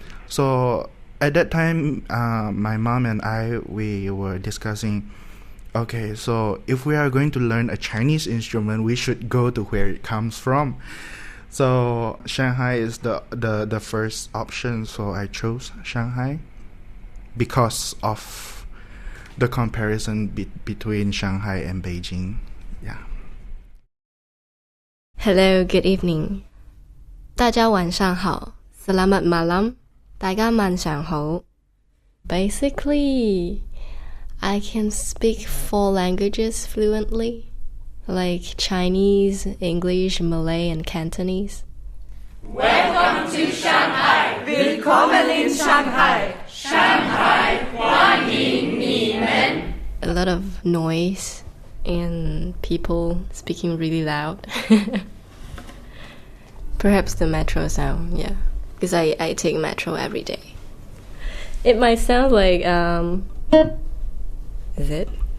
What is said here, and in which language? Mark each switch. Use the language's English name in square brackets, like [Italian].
[English] So at that time, my mom and I, we were discussing, okay, so if we are going to learn a Chinese instrument, we should go to where it comes from. So Shanghai is the first option, so I chose Shanghai because of the comparison between Shanghai and Beijing. Yeah. Hello, good evening. [Chinese] 大家晚上好 ， [Malay] Selamat malam. [Chinese] 大家晚上好。 [English] Basically, I can speak four languages fluently, like Chinese, English, Malay, and Cantonese. Welcome to Shanghai. [German] Willkommen in Shanghai. [Chinese] Shanghai, 欢迎你们。 [English] A lot of noise and people speaking really loud. Perhaps the metro sound, yeah. Because I take metro every day. It might sound like, Is it?